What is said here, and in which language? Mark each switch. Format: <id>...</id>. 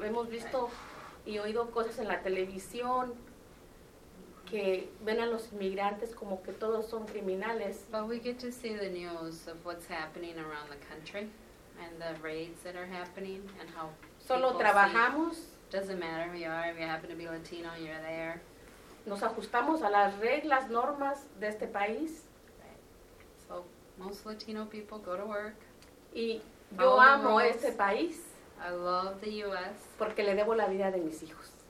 <es>Hemos visto y oído cosas en la televisión que ven a los inmigrantes como que todos son criminales.</es> <en>But we get to see the news of what's happening around the country and the raids that are happening and how</en> <es>solo trabajamos.</es> <en>Doesn't matter who you are. If you happen to be Latino, you're there.</en> <es>Nos ajustamos a las reglas, normas de este país.</es> <en>Right. So, most Latino people go to work.</en> <es>Y yo amo este país.</es> <en>I love the U.S.</en> <es>Porque le debo la vida de mis hijos.</es>